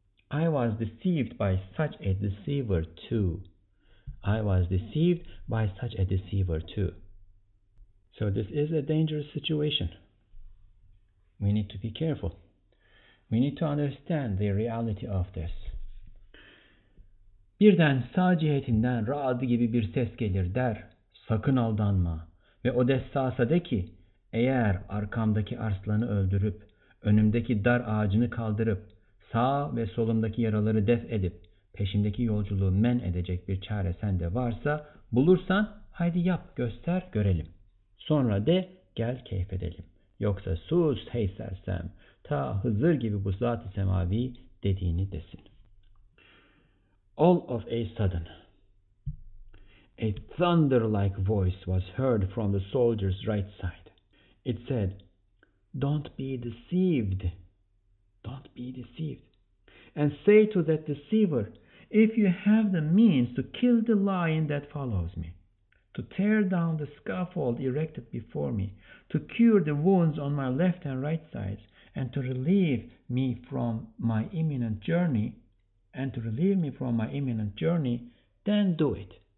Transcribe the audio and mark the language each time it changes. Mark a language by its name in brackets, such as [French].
[English] I was deceived by such a deceiver too. I was deceived by such a deceiver too. So this is a dangerous situation. We need to be careful. We need to understand the reality of this. [Turkish] Birden sağ cihetinden Ra'd gibi bir ses gelir der. Sakın aldanma. Ve o da sağsa de ki, eğer arkamdaki arslanı öldürüp, önümdeki dar ağacını kaldırıp, sağ ve solumdaki yaraları def edip, peşimdeki yolculuğu men edecek bir çare sende varsa, bulursan haydi yap, göster, görelim. Sonra de gel keyif edelim. Yoksa sus hey sersem, ta Hızır gibi bu zat-ı semavi dediğini desin. [English] All of a sudden, a thunder-like voice was heard from the soldier's right side. It said, "Don't be deceived. Don't be deceived. And say to that deceiver, if you have the means to kill the lion that follows me, to tear down the scaffold erected before me, to cure the wounds on my left and right sides, and to relieve me from my imminent journey, then do it.